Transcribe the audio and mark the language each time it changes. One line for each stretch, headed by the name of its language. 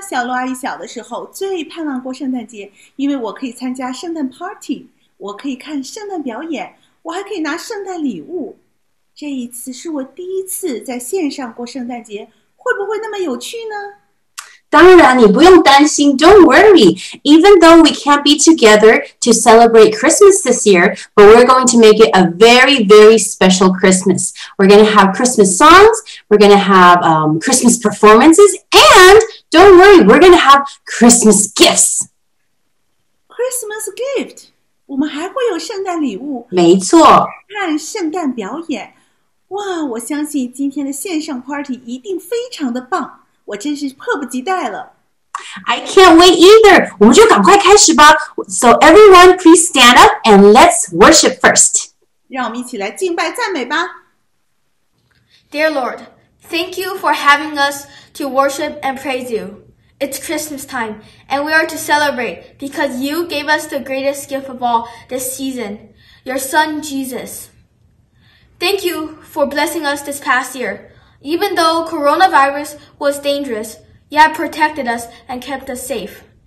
Chinese: 小鹿阿姨小的时候最盼望过圣诞节，因为我可以参加圣诞 party，我可以看圣诞表演。我还可以拿圣诞礼物，这一次是我第一次在线上过圣诞节，会不会那么有趣呢？当然，你不用担心。
English: Don't worry. Even though we can't be together to celebrate Christmas this year, but we're going to make it a very, very special Christmas. We're going to have Christmas songs. We're going to have Christmas performances. And don't worry, we're going to have Christmas gifts. Christmas gift。
Chinese: 我们还会有圣诞礼物，没错。看圣诞表演，哇！我相信今天的线上 party 一定非常的棒，我真是迫不及待了。
English: I can't wait either.
Chinese: 我们就赶快开始吧。
English: So everyone, please stand up and let's worship first.
Chinese: 让我们一起来敬拜赞美吧。
English: Dear Lord, thank you for having us to worship and praise you. It's Christmas time, and we are to celebrate because you gave us the greatest gift of all this season, your son Jesus. Thank you for blessing us this past year. Even though coronavirus was dangerous, you have protected us and kept us safe.